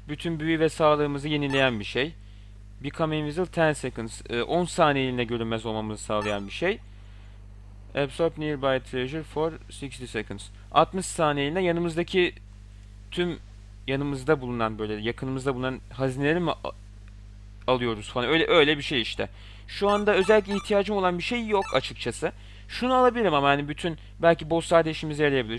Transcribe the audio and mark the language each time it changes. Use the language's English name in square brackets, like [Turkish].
[Turkish] Bütün büyü ve sağlığımızı yenileyen bir şey. [English] Become invisible 10 seconds. [Turkish] 10 saniyeliğine görünmez olmamızı sağlayan bir şey. [English] Absorb nearby treasure for 60 seconds. [Turkish] 60 saniyeliğine yanımızdaki tüm yanımızda bulunan böyle yakınımızda bulunan hazineleri mi alıyoruz falan. Öyle bir şey işte. Şu anda özellikle ihtiyacım olan bir şey yok açıkçası. Şunu alabilirim ama hani bütün belki boss kardeşimize yarayabilir.